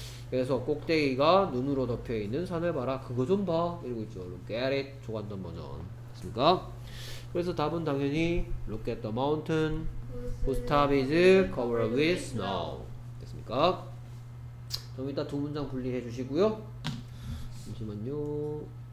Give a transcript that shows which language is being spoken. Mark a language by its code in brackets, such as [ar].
[ko] 그래서 꼭대기가 눈으로 덮여있는 산을 봐라. 그거 좀 봐. 이러고 있죠. [en] Look at it. [ko] 초간단 버전. 됐습니까? 그래서 답은 당연히 [en] Look at the mountain whose top is covered with snow. [ko] 됐습니까? 좀 이따 두 문장 분리해 주시고요. 잠시만요.